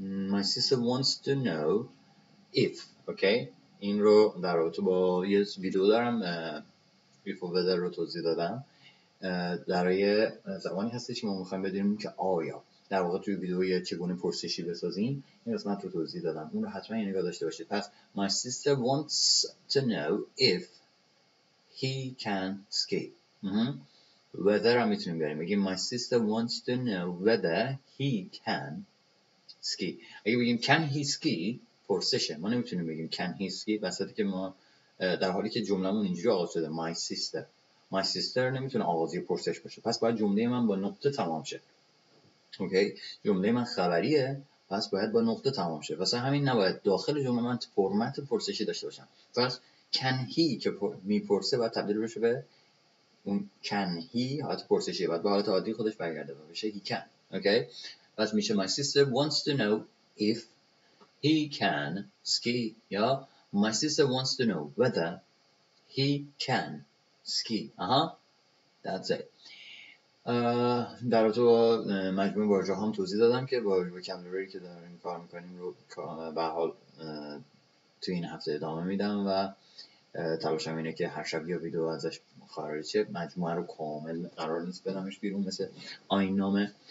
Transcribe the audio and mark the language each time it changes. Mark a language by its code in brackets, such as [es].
[en] My sister wants to know if, okay, [fa] این رو در رابطه با یه ویدیو دارم if و whether رو توضیح دادم، در یه زبانی هستش که ما میخواییم بدونیم که آیا، در واقع توی ویدیو یه چگونه پرسشی بسازیم، این قسمت رو توضیح دادم، اون رو حتما یه نگاه داشته باشید. پس [en] my sister wants to know if he can ski. Whether [fa] هم میتونیم بیاریم، بگیم [en] my sister wants to know whether he can ski. [fa] اگه بگیم [en] can he ski، [fa] پرسشه، ما نمیتونیم بگیم can he ski، وسطی که ما در حالی که جملمون اینجوری آغاز شده my sister نمیتونه آغازی پرسش باشه، پس باید جمله من با نقطه تمام شه. اوکی، جمله من خبریه، پس باید با نقطه تمام شه، واسه همین نباید داخل جمله من فرمت پرسشی داشته باشم. پس can he که میپرسه باید تبدیل بشه به اون can he حالت پرسشی، باید به حالت عادی خودش برگرده بشه he can. اوکی، پس میشه [en] my sister wants to know if he can ski. [fa] یا [en] my sister wants to know whether he can ski. That's it. [fa] در رابطه با مجموعه واژه هم توضیح دادم که واژه وکبلری که داریم کار میکنیم رو به حال تو این هفته ادامه میدم و تلاشم اینه که هر شب یا ویدیو ازش خارج شه، مجموعه رو کامل قرار نیست بدمش بیرون مثل آیین نامه.